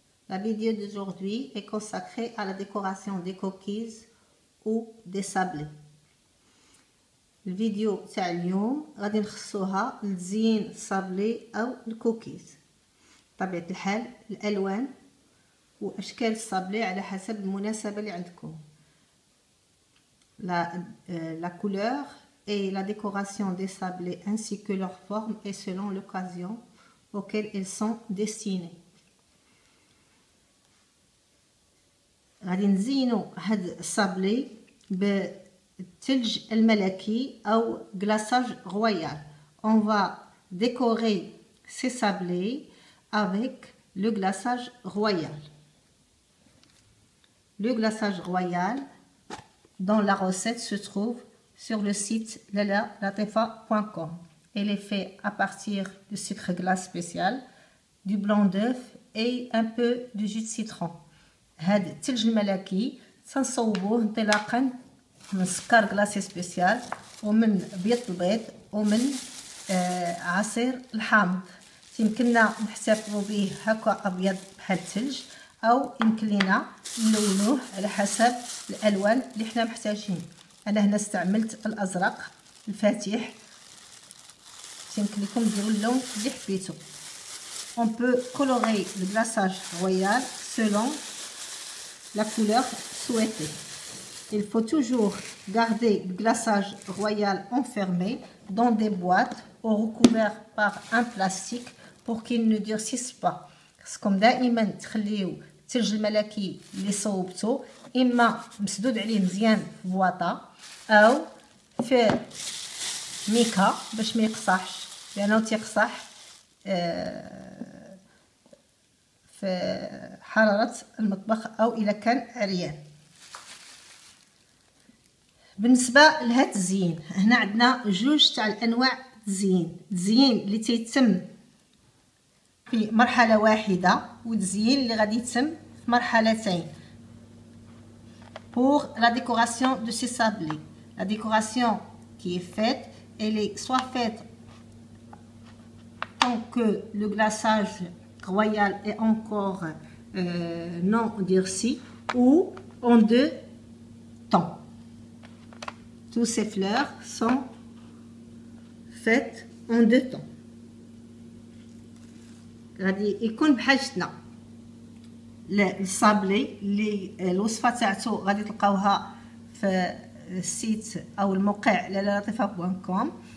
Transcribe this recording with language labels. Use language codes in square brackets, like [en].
[fr] La vidéo d'aujourd'hui est consacrée à la décoration des coquilles ou des sablés. La vidéo de aujourd'hui va être sablés ou les coquilles. [ar] طبيعة الحال الألوان وأشكال الصابلي على حسب المناسبة اللي عندكم. [fr] La couleur et la décoration des sablés ainsi que leur forme est selon l'occasion auxquelles elles sont destinées. [ar] غادي نزينو هاد الصابلي بالثلج الملكي أو غلاساج رويال. [fr] On va décorer ces sablés avec le glaçage royal. Le glaçage royal dont la recette se trouve sur le site lalalatifa.com. Elle est faite à partir de sucre glace spécial, du blanc d'œuf et un peu de jus de citron. [ar] هاد التلج الملكي تنصوبوه انطلاقا من سكر غلاسي سبيسيال ومن بيض البيض ومن عصير الحامض. يمكننا نحتفظوا به هكا ابيض بحال التلج او يمكن لينا نلونوه على حسب الالوان اللي حنا محتاجين. انا هنا استعملت الازرق الفاتح، يمكن لكم ديروا اللون اللي حبيتو. [fr] اون بو كولوري الكلاصاج رويال سولون لا كولور سويتي. Il faut toujours garder le glaçage royal enfermé dans des boîtes ou recouvert par un plastique pour qu'il ne durcisse pas. [ar] خاصكم كم دائما تخليو التلج الملكي اللي صوبتو اما مسدود عليه مزيان في بواطا او في ميكا باش ما يقصحش، لانه تيقصح في حرارة المطبخ او اذا كان عريان. بالنسبة لهاد التزيين، هنا عندنا جوج تاع الانواع التزيين، التزيين اللي تيتم في مرحلة واحدة والتزيين اللي غادي يتم في مرحلتين. [fr] Pour la décoration de ces sablés. La décoration qui est faite, elle est soit faite tant que le glaçage royal est encore non durci ou en deux temps. Toutes ces fleurs sont faites en deux temps. [ar] غادي يكون بحاجتنا للصابلي اللي الوصفه تاعته غادي تلقاوها في السيت او الموقع lalalatifa.com.